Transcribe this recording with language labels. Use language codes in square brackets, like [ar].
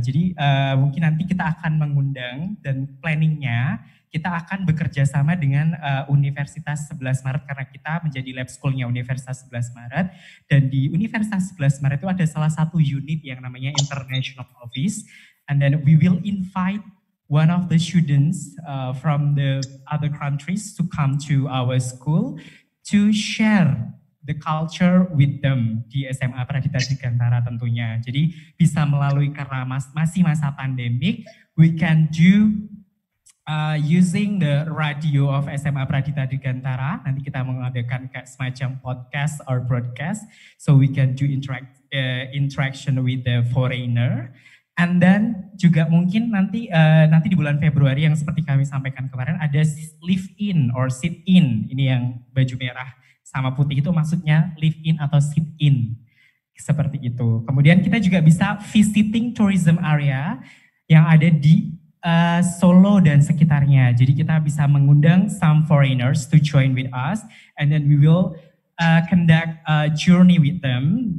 [id] Jadi mungkin nanti kita akan mengundang, dan planningnya kita akan bekerja sama dengan Universitas 11 Maret karena kita menjadi lab school-nya Universitas 11 Maret. Dan di Universitas 11 Maret itu ada salah satu unit yang namanya International Office. [en] And then we will invite one of the students from the other countries to come to our school to share the culture with them [id] di SMA Pradita Dirgantara tentunya. Jadi bisa melalui karena masih masa pandemik, [en] we can do using the radio of SMA Pradita Dirgantara. [id] Nanti kita mengadakan kayak semacam podcast or broadcast, [en] so we can do interaction with the foreigner. And then [id] juga mungkin nanti di bulan Februari yang seperti kami sampaikan kemarin ada live-in or sit-in. Ini yang baju merah sama putih itu maksudnya live-in atau sit-in. Seperti itu. Kemudian kita juga bisa visiting tourism area yang ada di Solo dan sekitarnya. Jadi kita bisa mengundang [en] some foreigners to join with us. And then we will conduct a journey with them.